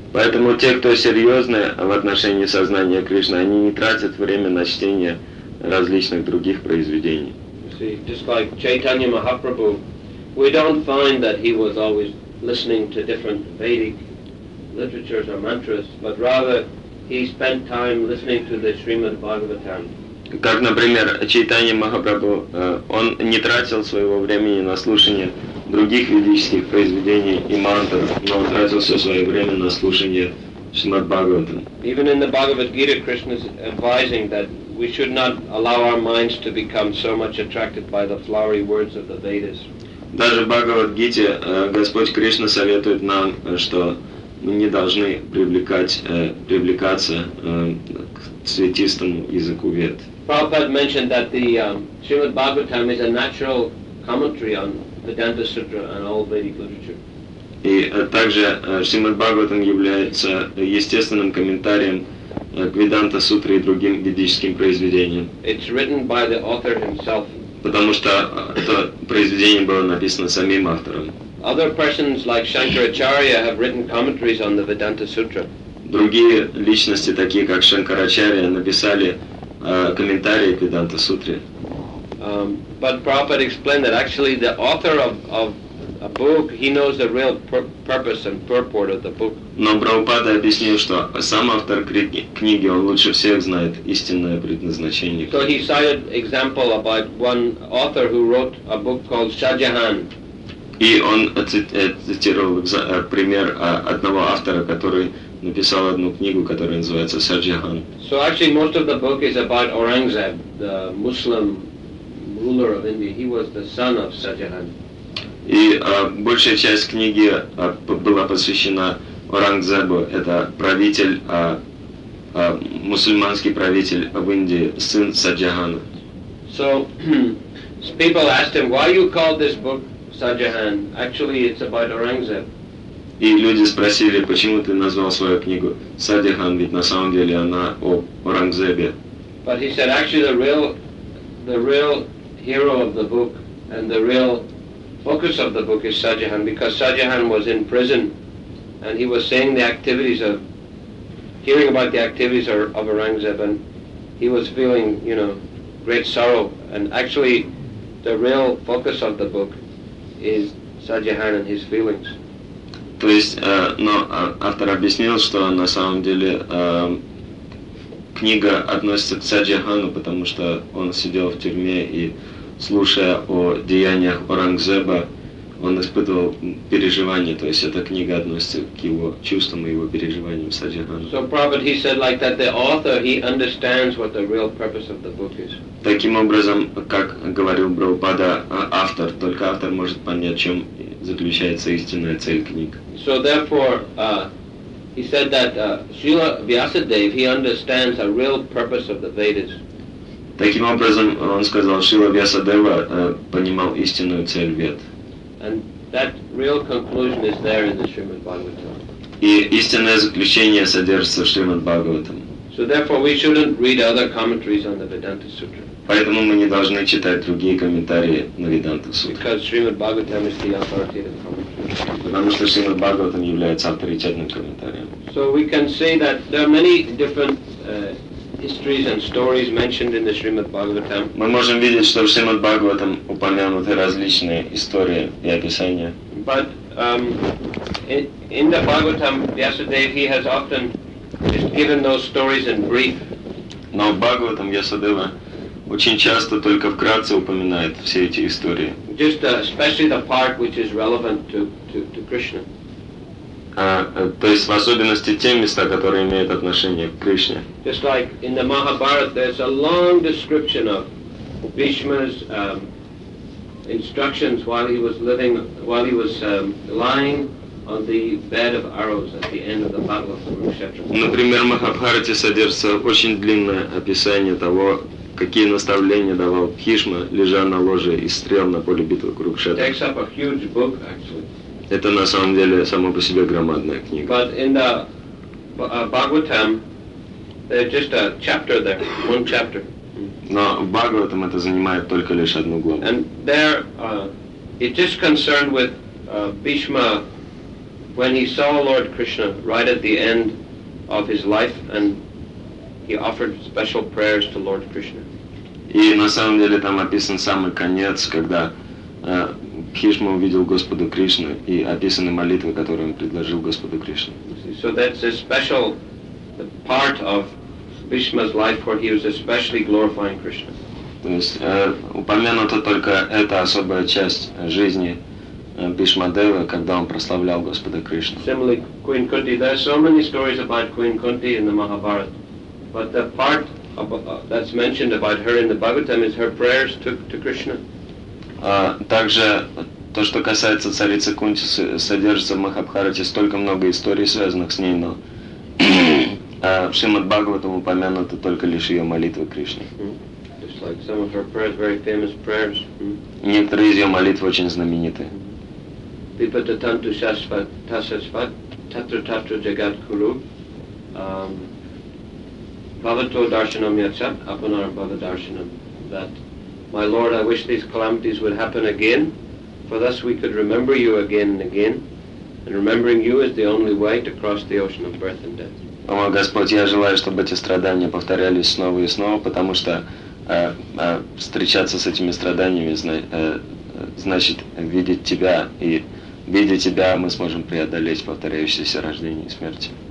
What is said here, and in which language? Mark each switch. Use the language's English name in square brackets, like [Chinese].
[Russian] Поэтому те, кто серьезны в отношении сознания Кришны, они не тратят время на чтение различных других произведений. [English] See, just like Chaitanya Mahaprabhu, we don't find that he was always listening to different Vedic literatures or mantras, but rather he spent time listening to the Srimad Bhagavatam. [Russian] Как, например, Чайтанья Махапрабху, он не тратил своего времени на слушание других ведических произведений и мантр, но он тратил все свое время на слушание Шримад Бхагаватам. [English] Even in the Bhagavad Gita, Krishna is advising that we should not allow our minds to become so much attracted by the flowery words of the Vedas. [Russian] Даже в Бхагавад-гите Господь Кришна советует нам, что мы не должны привлекаться к цветистому языку вед. [English] Prabhupada mentioned that the Srimad Bhagavatam is a natural commentary on the Vedanta Sutra and all Vedic literature. [Russian] И также Srimad Bhagavatam является естественным комментарием к Веданта Сутре и другим ведическим произведениям. [English] It's written by the author himself. [Russian] Потому что это произведение было написано самим автором. [English] Other persons like Shankaracharya have written commentaries on the Vedanta Sutra. [Russian] Другие личности, такие как Шанкарачарья, написали комментарии к Веданта Сутре. [English] But Prabhupada explained that actually the author of a book, he knows the real purpose and purport of the book. [Russian] Но Прабхупада объяснил, что сам автор книги, он лучше всех знает истинное предназначение. [English] So he cited example about one author who wrote a book called Shahjahan. [Russian] И он цитировал пример одного автора, который написал одну книгу, которая называется Шахджахан. [English] So actually most of the book is about Aurangzeb, the Muslim ruler of India. He was the son of Shahjahan. [Russian] И большая часть книги была посвящена Аурангзебу. Это правитель, мусульманский правитель в Индии, сын Шахджахана. [English] So people asked him, why you call this book Shahjahan? Actually, it's about Aurangzeb. [Russian] И люди спросили, почему ты назвал свою книгу Шахджахан, ведь на самом деле она о Аурангзебе. [English] But he said, actually, the real hero of the book and the real focus of the book is Shahjahan, because Shahjahan was in prison and he was saying the activities of hearing about the activities of Aurangzeb, and he was feeling, you know, great sorrow. And actually the real focus of the book is Shahjahan and his feelings. [Russian] То есть, но автор объяснил, что на самом деле книга относится к Шахджахану, потому что он сидел в тюрьме и, слушая о деяниях Аурангзеба, он испытывал переживания, то есть эта книга относится к его чувствам и его переживаниям саджаганы. [English] So Prabhupada, he said like that, the author, he understands what the real purpose of the book is. [Russian] Таким образом, как говорил Прабхупада, автор, только автор может понять, в чем заключается истинная цель книг. [English] So therefore, he said that Srila Vyasadeva, he understands the real purpose of the Vedas. [Russian] Таким образом, он сказал, Шрила Вьясадева понимал истинную цель Вед. [English] And that real conclusion is there in the Srimad Bhagavatam. [Russian] И истинное заключение содержится в Шримад Бхагаватам. [English] So therefore we shouldn't read other commentaries on the Vedanta Sutra. [Russian] Поэтому мы не должны читать другие комментарии на Веданта Сутру. [English] Because Srimad Bhagavatam is the authoritative commentary. [Russian] Потому что Шримад Бхагаватам является авторитетным комментарием. [English] So we can say that there are many different histories and stories mentioned in the Srimad Bhagavatam. [Russian] Мы можем видеть, что в Шримад Бхагаватам упомянуты различные истории и описания. [English] But in the Bhagavatam, Vyasadeva, he has often just given those stories in brief. [Russian] Но в Бхагаватам Вьясадева очень часто только вкратце упоминает все эти истории. [English] Just especially the part which is relevant to Krishna. [Russian] То есть в особенности те места, которые имеют отношение к Кришне. [English] Just like in the Mahabharata, there's a long description of Bhishma's instructions while he was living, while he was lying on the bed of arrows at the end of the battle of Kurukshetra. [Russian] Например, в Махабхарате содержится очень длинное описание того, какие наставления давал Бхишма, лежа на ложе из стрел на поле битвы Курукшетра. [English] Takes up a huge book, actually. [Russian] Это на самом деле само по себе громадная книга. [English] But in the Bhagavatam, there's just a chapter there, one chapter. [Russian] Но в Бхагаватам это занимает только лишь одну главу. [English] And there, it just concerned with Bhishma when he saw Lord Krishna right at the end of his life, and he offered special prayers to Lord Krishna. [Russian] И на самом деле там описан самый конец, когда Бхишма увидел Господа Кришну и описаны молитвы, которые он предложил Господу Кришне. [English] So that's a special part of Bhishma's life where he was especially glorifying Krishna. [Russian] То есть упомянута только эта особая часть жизни Бхишмадева, когда он прославлял Господа Кришну. [English] Similarly, Queen Kunti. There are so many stories about Queen Kunti in the Mahabharata, but the part that's mentioned about her in the Bhagavatam is her prayers to Krishna. [Russian] Также то, что касается царицы Кунти, содержится в Махабхарате столько много историй, связанных с ней, но в Шримад Бхагаватам упомянуты только лишь ее молитвы Кришне. [English] Just like some of her prayers, very famous prayers. [Russian] Некоторые из ее молитв очень знамениты. [Sanskrit] Випататанту шасва тасасва татра татра джагат куру бхавато даршанам яча апанар бхава даршанам. [English] My Lord, I wish these calamities would happen again, for thus we could remember you again and again, and remembering you is the only way to cross the ocean of birth and death. [Russian] О, Господь, я желаю, чтобы эти страдания повторялись снова и снова, потому что встречаться с этими страданиями значит видеть Тебя, и видя Тебя мы сможем преодолеть повторяющиеся рождения и смерти.